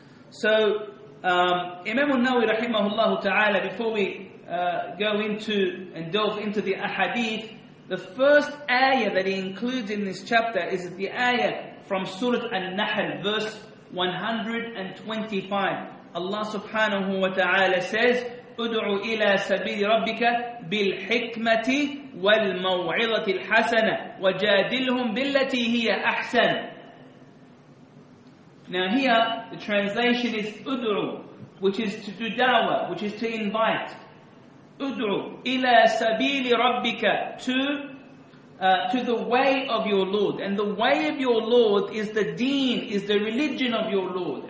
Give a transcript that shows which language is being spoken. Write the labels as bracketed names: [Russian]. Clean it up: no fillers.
[English] So, Imam An-Nawawi rahimahullah ta'ala, before we go into and delve into the ahadith, the first ayah that he includes in this chapter is the ayah from Surah An-Nahl, verse 125. Allah subhanahu wa ta'ala says, [Arabic] ادعوا إلى سبيل ربك بالحكمة والموعظة الحسنة وجادلهم بالتي هي أحسن. [English] Now here the translation is ادعوا, which is to do دعوة, which is to invite. [Arabic] ادعوا إلى سبيل ربك, [English] to the way of your Lord. And the way of your Lord is the deen, is the religion of your Lord.